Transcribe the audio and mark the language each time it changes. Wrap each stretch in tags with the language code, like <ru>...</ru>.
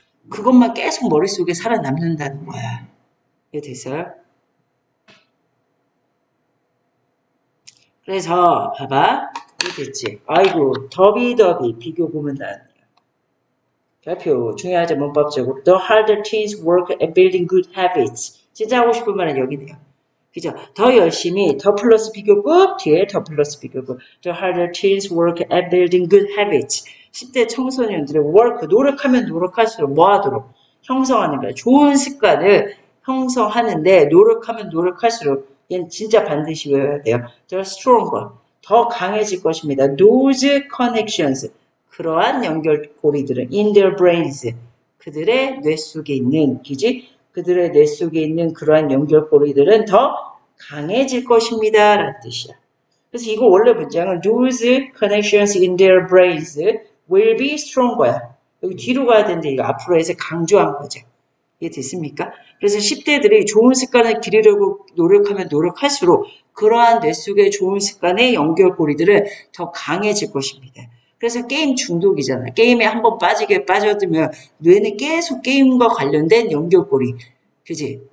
<ko>그것만 계속 머릿속에 살아남는다는 거야. 이해됐어요? 그래서 봐봐. 됐지. 아이고, 더비더비 비교 보면 나왔네요. 대표 중요하지 문법 제곱.</ko> <en>The harder teens work at building good habits.</en> <ko>진짜 하고 싶은 말은 여기네요. 그죠? 더 열심히, 더 플러스 비교급, 뒤에 더 플러스 비교급.</ko> <en>The harder teens work at building good habits.</en> <ko>10대 청소년들의 work, 노력하면 노력할수록 뭐 하도록 형성하는 거야. 좋은 습관을 형성하는데 노력하면 노력할수록 얘는 진짜 반드시 외워야 돼요.</ko> <en>The stronger.</en> <ko>더 강해질 것입니다.</ko> <en>Those connections.</en> <ko>그러한 연결고리들은</ko> <en>in their brains.</en> <ko>그들의 뇌 속에 있는, 그지? 그들의 뇌 속에 있는 그러한 연결고리들은 더 강해질 것입니다. 라는 뜻이야. 그래서 이거 원래 문장은</ko> <en>Those connections in their brains will be stronger.</en> <ko>여기 뒤로 가야 되는데 이거 앞으로 해서 강조한 거죠. 이해 됐습니까? 그래서 10대들이 좋은 습관을 기르려고 노력하면 노력할수록 그러한 뇌 속의 좋은 습관의 연결고리들은 더 강해질 것입니다. 그래서 게임 중독이잖아. 게임에 한번 빠지게 빠져들면 뇌는 계속 게임과 관련된 연결고리, 그지?</ko>